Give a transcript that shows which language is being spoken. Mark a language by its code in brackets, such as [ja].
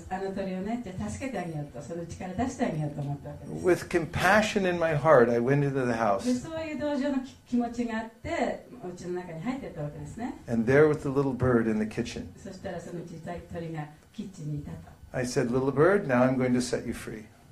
[ja] あの鳥をね、じゃ助けてあげようと、その家から出してあげようと思ったわけです。 [en] With compassion in my heart, I went into the house. [ja] そういう同情の気持ちがあって、お家の中に入ってったわけですね。 [en] And there was the little bird in the kitchen. [ja] そしたらその小さい鳥がキッチンにいたと。 [en] I said, little bird, now I'm going to set you free.